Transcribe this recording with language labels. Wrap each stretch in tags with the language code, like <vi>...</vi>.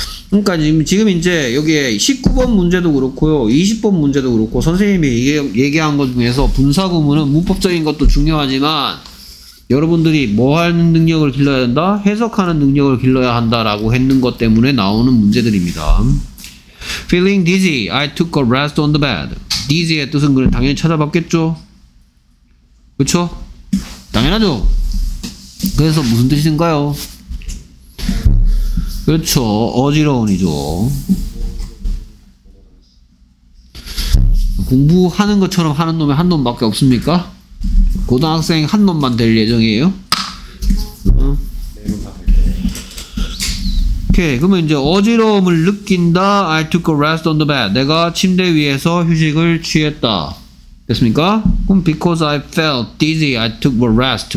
<ko>그러니까 지금 이제 여기에 19번 문제도 그렇고요, 20번 문제도 그렇고, 선생님이 얘기한 것 중에서 분사구문은 문법적인 것도 중요하지만, 여러분들이 뭐 하는 능력을 길러야 된다? 해석하는 능력을 길러야 한다라고 했는 것 때문에 나오는 문제들입니다.</ko> <en>Feeling dizzy, I took a rest on the bed.</en> <ko>Dizzy의 뜻은 그냥 당연히 찾아봤겠죠? 그쵸? 당연하죠? 그래서 무슨 뜻인가요? 그쵸? 어지러운이죠. 공부하는 것처럼 하는 놈이 한 놈밖에 없습니까? 고등학생 한 놈만 될 예정이에요. 오케이. 그러면 이제 어지러움을 느낀다.</ko> <en>I took a rest on the bed.</en> <ko>내가 침대 위에서 휴식을 취했다. 됐습니까? 그럼</ko> <en>because I felt dizzy, I took a rest.</en>